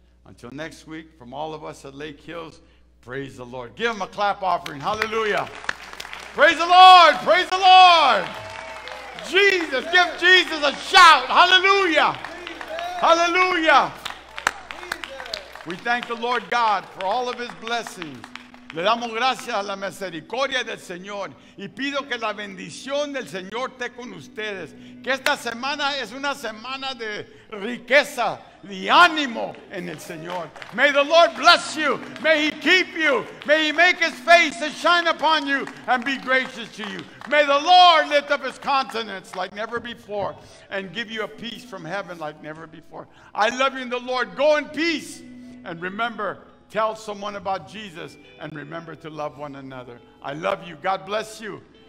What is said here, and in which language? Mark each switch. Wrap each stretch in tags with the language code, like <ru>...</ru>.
<en>Until next week, from all of us at Lake Hills, praise the Lord. Give them a clap offering. Hallelujah. Praise the Lord. Praise the Lord. Jesus. Give Jesus a shout. Hallelujah. Hallelujah. We thank the Lord God for all of his blessings.</en> <es>Le damos gracias a la misericordia del Señor y pido que la bendición del Señor esté con ustedes. Que esta semana es una semana de riqueza, de ánimo en el Señor.</es> <en>May the Lord bless you. May he keep you. May he make his face to shine upon you and be gracious to you. May the Lord lift up his countenance like never before and give you a peace from heaven like never before. I love you in the Lord. Go in peace and remember, tell someone about Jesus and remember to love one another. I love you. God bless you.</en>